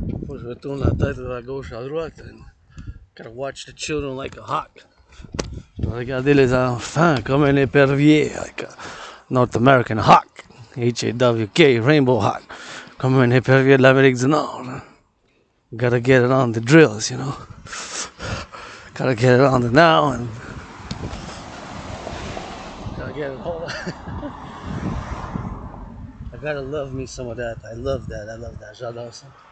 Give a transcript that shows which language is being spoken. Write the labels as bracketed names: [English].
[English] Push the tune that tight that I go shall rock, and gotta watch the children like a hawk. [French] Regardez les enfants comme un épervier, [English] like a North American hawk. H-A-W-K, rainbow hawk. [French] Comme un épervier de l'Amérique du Nord. [English] Gotta get it on the drills, you know. Gotta get it on the now, and gotta get it all. You gotta love me some of that. I love that. I love that. [French] J'adore ça.